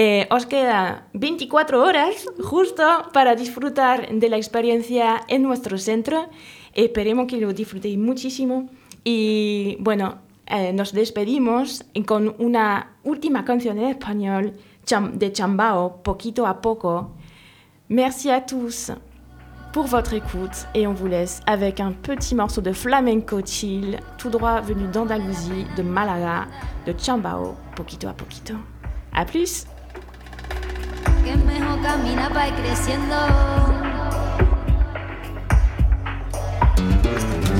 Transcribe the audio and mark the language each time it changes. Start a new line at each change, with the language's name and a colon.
Spanish: Os queda 24 horas justo para disfrutar de la experiencia en nuestro centro. Esperemos que lo disfrutéis muchísimo. Y bueno, nos despedimos con una última canción en español de Chambao, Poquito a Poco.
French: Merci a tous pour votre écoute et on vous laisse avec un petit morceau de flamenco chill tout droit venu d'Andalousie, de Malaga, de Chambao, Poquito a Poquito. A plus.
Spanish: Que mejor camina pa' ir creciendo.